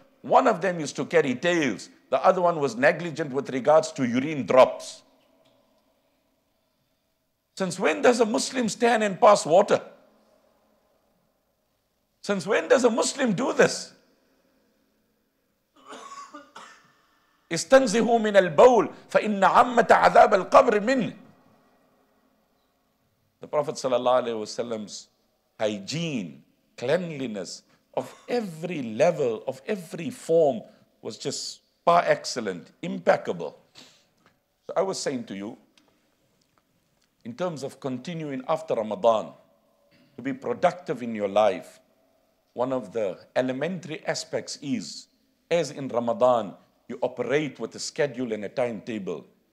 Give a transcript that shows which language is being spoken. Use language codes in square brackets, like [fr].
[en] One of them used to carry tails. The other one was negligent with regards to urine drops. Since when does a Muslim stand and pass water? Since when does a Muslim do this? [ar] استنزهوا من البول فإن عمة عذاب القبر من. [en] The Prophet sallallahu alaihi wasallam's hygiene, cleanliness of every level, of every form was just par excellent, impeccable. So I was saying to you, in terms of continuing after Ramadan, to be productive in your life, one of the elementary aspects is, as in Ramadan, you operate with a schedule and a timetable.